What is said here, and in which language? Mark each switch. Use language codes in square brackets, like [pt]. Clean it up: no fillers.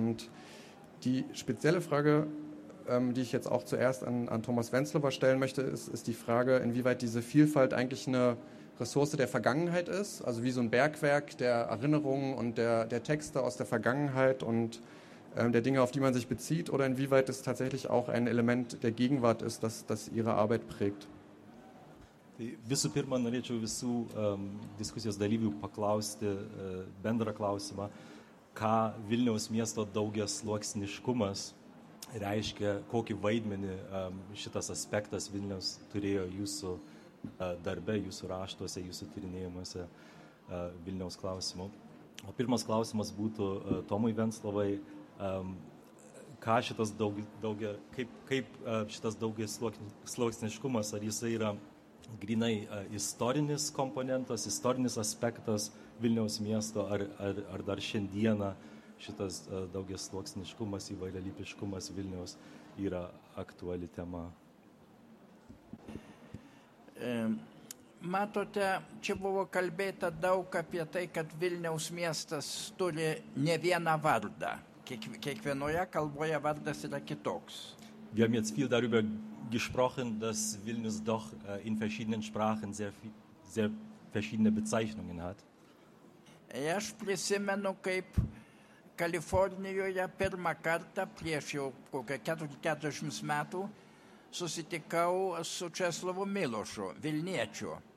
[de] Und die spezielle Frage, die ich jetzt auch zuerst an Thomas Wenzlower stellen möchte, ist die Frage, inwieweit diese Vielfalt eigentlich eine Ressource der Vergangenheit ist, also wie so ein Bergwerk der Erinnerungen und der Texte aus der Vergangenheit und der Dinge, auf die man sich bezieht, oder inwieweit es tatsächlich auch ein Element der Gegenwart ist, das Ihre Arbeit prägt. [lt] Visų pirma, norėčiau visų diskusijos dalyvių paklausti bendrą klausimą, ką Vilniaus miesto daugias sluoksniškumas reiškia, kokį vaidmenį šitas aspektas Vilniaus turėjo jūsų darbe, jūsų raštuose, jūsų tyrinėjimuose Vilniaus klausimu. O pirmas klausimas būtų Tomui Venslovai, ką šitas sluoksniškumas, ar jisai yra grinai istorinis komponentas, istorinis aspektas Vilniaus miesto, ar dar šiandieną šitas daugias sluoksniškumas, įvairialypiškumas Vilniaus yra aktuali tema? Matote, čia buvo kalbėta daug apie tai, kad Vilniaus miestas turi ne vieną vardą. Kiekvienoje kalboje vardas yra kitoks. [de] Wir haben jetzt viel darüber gesprochen, dass Vilnius doch in verschiedenen Sprachen sehr, sehr verschiedene Bezeichnungen hat. [lt] Aš prisimenu, kaip Kalifornijoje pirmą kartą prieš jau kokią 40 metų susitikau su Česlovu Milošu, Vilniečiu.